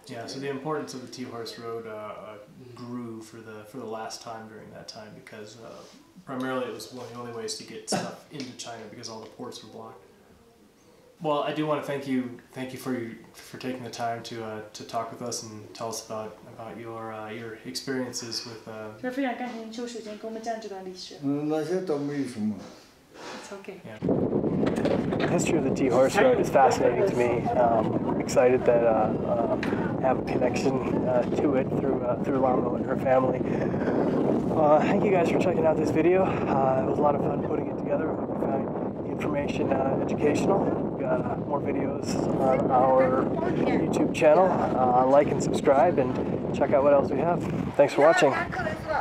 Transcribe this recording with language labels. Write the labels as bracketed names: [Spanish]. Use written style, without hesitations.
[English] Yeah, so the importance of the tea horse road grew for the last time during that time because primarily it was one of the only ways to get stuff into China because all the ports were blocked. Well, I do want to thank you for taking the time to talk with us and tell us about your experiences with. [Chinese] 非常感谢你抽时间给我们讲这段历史。那些都没什么。 [English] It's okay. Yeah. The history of the tea horse road is fascinating to me. Excited that I have a connection to it through Lamu and her family. Thank you guys for checking out this video. It was a lot of fun putting it together. I hope you found the information educational. We've got more videos on our YouTube channel. Like and subscribe and check out what else we have. Thanks for watching.